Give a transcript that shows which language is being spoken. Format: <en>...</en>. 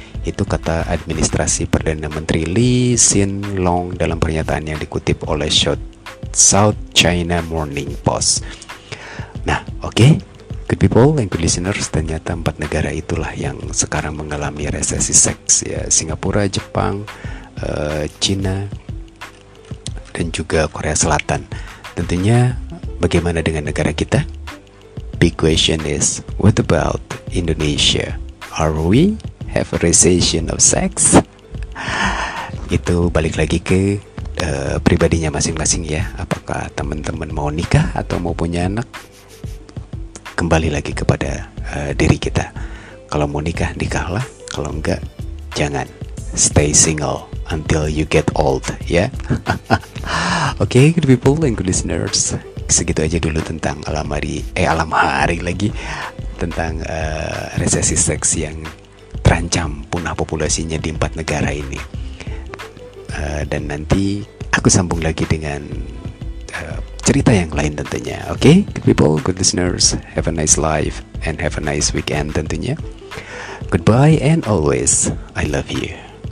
<id>Itu kata administrasi Perdana Menteri Lee Hsien Loong dalam pernyataan yang dikutip oleh South China Morning Post. Nah, oke.</id> <en>Good people and good listeners,</en> <id>ternyata empat negara itulah yang sekarang mengalami resesi seks ya. Singapura, Jepang, China, dan juga Korea Selatan. Tentunya bagaimana dengan negara kita?</id> <en>Big question is, what about Indonesia? Are we have a recession of sex?</en> <id>Itu balik lagi ke pribadinya masing-masing ya. Apakah teman-teman mau nikah atau mau punya anak? Kembali lagi kepada diri kita. Kalau mau nikah, nikahlah. Kalau enggak, jangan.</id> <en>Stay single until you get old, ya. Oke, good people and good listeners.</en> <id>Segitu aja dulu tentang alam hari lagi tentang resesi seks yang terancam punah populasinya di empat negara ini. Dan nanti aku sambung lagi dengan cerita yang lain tentunya.</id> <en>Oke, good people, good listeners, have a nice life and have a nice weekend</en> <id>tentunya.</id> <en>Goodbye and always, I love you.</en>